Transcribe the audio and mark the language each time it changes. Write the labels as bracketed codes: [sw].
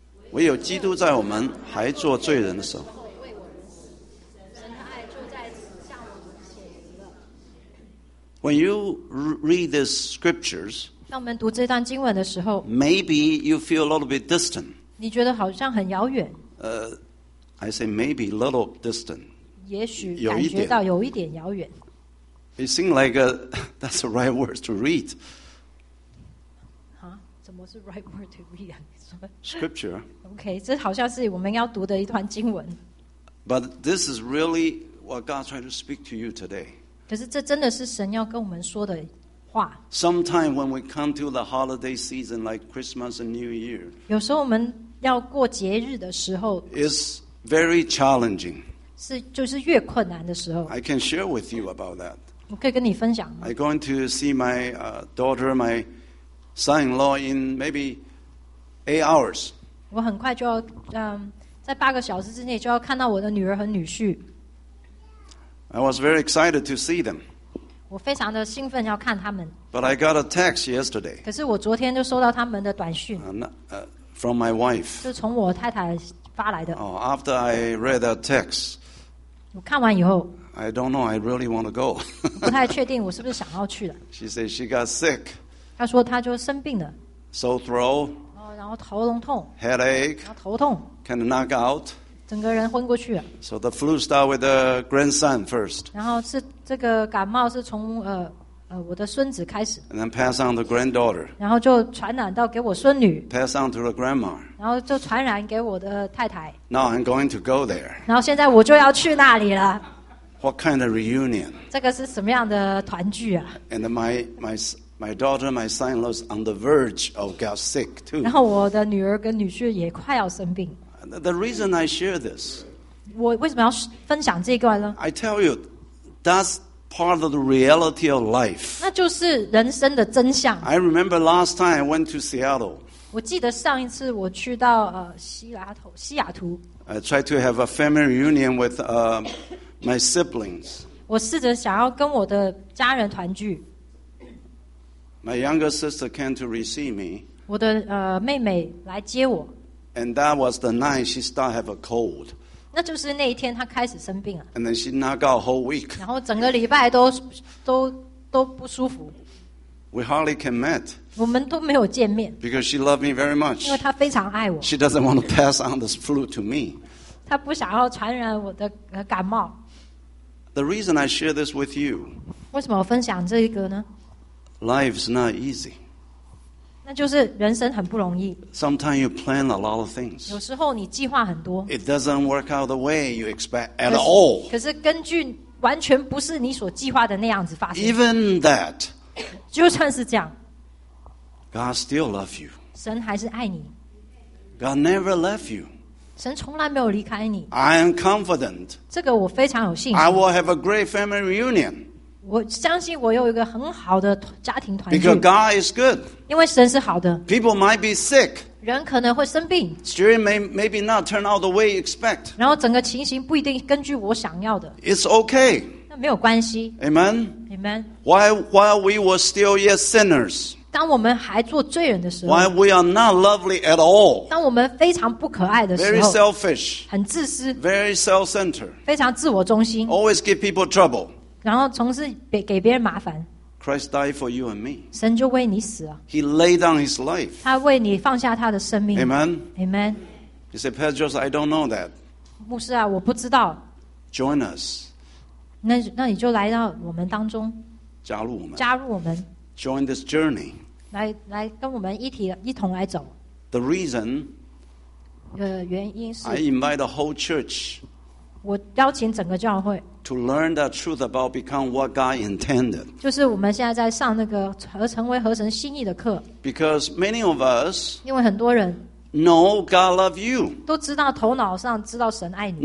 [zh] 唯有基督在我们还做罪人的时候， [en] When you read these scriptures, [zh] 当我们读这段经文的时候 [en] maybe you feel a little bit distant. [zh] 你觉得好像很遥远。 [en] I say maybe a little distant. [zh] 也许感觉到有一点遥远。 [en] It seems like that's the right word to read. [zh] 啊，怎么是 [en] right word to read [zh] 啊？你说 [en] scripture. [zh] Okay, 这好像是我们要读的一段经文。 [en] But this is really what God tried to speak to you today. [zh] 可是这真的是神要跟我们说的话。 [en] Sometimes when we come to the holiday season like Christmas and New Year, [zh] 有时候我们要过节日的时候 [en] is very challenging. [zh] 是就是越困难的时候。 [en] I can share with you about that. [zh] 我可以跟你分享。 [en] I'm going to see my daughter, my son-in-law in maybe 8 hours. [zh] 我很快就要在八个小时之内就要看到我的女儿和女婿。 [en] I was very excited to see them. [zh] 我非常的兴奋要看他们。 [en] But I got a text yesterday. [zh] 可是我昨天就收到他们的短讯。 [en] From my wife. [zh] 就从我太太发来的。 [en] Oh, after I read that text. [zh] 我看完以后。 [en] I don't know. I really want to go. [zh] 不太确定我是不是想要去了。 [en] She said she got sick. [zh] 她说她就生病了。 [en] Sore throat. [zh] 然后喉咙痛。 [en] Headache. [zh] 然后头痛。 [en] Can knock out. [zh] 整个人昏过去了。 [en] So the flu started with the grandson first. [zh] 然后是这个感冒是从我的孙子开始。 [en] And then pass on to granddaughter. [zh] 然后就传染到给我孙女。 [en] Pass on to the grandma. [zh] 然后就传染给我的太太。 [en] Now I'm going to go there. [zh] 然后现在我就要去那里了。 [en] What kind of reunion? [zh] 这个是什么样的团聚啊 [en] ？And my daughter, my son-in-law's on the verge of got sick too. [zh] 然后我的女儿跟女婿也快要生病。 [en] The reason I share this, [zh] 我为什么要分享这一段呢 [en] ？I tell you, that's part of the reality of life. [zh] 那就是人生的真相。 [en] I remember last time I went to Seattle. [zh] 我记得上一次我去到西雅图。 [en] I tried to have a family reunion with my siblings. [zh] 我试着想要跟我的家人团聚。 [en] My younger sister came to receive me. [zh] 我的妹妹来接我。 [en] And that was the night she started have a cold. [zh] 那就是那一天她开始生病了。 [en] And then she knocked out whole week. [zh] 然后整个礼拜都不舒服。 [en] We hardly can meet. [zh] 我们都没有见面。 [en] Because she loved me very much. [zh] 因为她非常爱我。 [en] She doesn't want to pass on this flu to me. [zh] 她不想要传染我的感冒。 [en] The reason I share this with you. [zh] 为什么我分享这个呢 [en] ？Life's not easy. [zh] 那就是人生很不容易。 [en] Sometimes you plan a lot of things. [zh] 有时候你计划很多。 [en] It doesn't work out the way you expect at all. [zh] 可是根据完全不是你所计划的那样子发生。 [en] Even that. [zh] 就算是这样。 [en] God still loves you. [zh] 神还是爱你。 [en] God never left you. [zh] 神从来没有离开你。 [en] I am confident. [zh] 这个我非常有信心。 [en] I will have a great family reunion. [zh] 我相信我有一个很好的家庭团聚。 [en] Because God is good. [zh] 因为神是好的。 [en] People might be sick. [zh] 人可能会生病。 [en] Situation maybe not turn out the way you expect. [zh] 然后整个情形不一定根据我想要的。 [en] It's okay. [zh] 那没有关系。 [en] Amen. Amen. While we were still yet sinners. [zh] 当我们还做罪人的时候。 [en] While we are not lovely at all. [zh] 当我们非常不可爱的时候。 [en] Very selfish. [zh] 很自私。 [en] Very self-centered. [zh] 非常自我中心。 [en] Always give people trouble. [zh] 然后从事给别人麻烦。 [en] Christ died for you and me. [zh] 神就为你死了。 [en] He laid down his life. [zh] 他为你放下他的生命。 [en] Amen. Amen. He said, Pastor Joseph, I don't know that. [zh] 牧师啊，我不知道。 [en] Join us. [zh] 那你就来到我们当中。加入我们。加入我们。 [en] Join this journey. [zh] 来跟我们一同来走。 [en] The reason. [zh] 原因是。 [en] I invite the whole church. [zh] 我邀请整个教会。 [en] To learn the truth about become what God intended. [zh] 就是我们现在在上那个成为合神心意的课。 [en] Because many of us, [zh] 因为很多人 [en] No, God loves you. [zh] 都知道头脑上知道神爱你。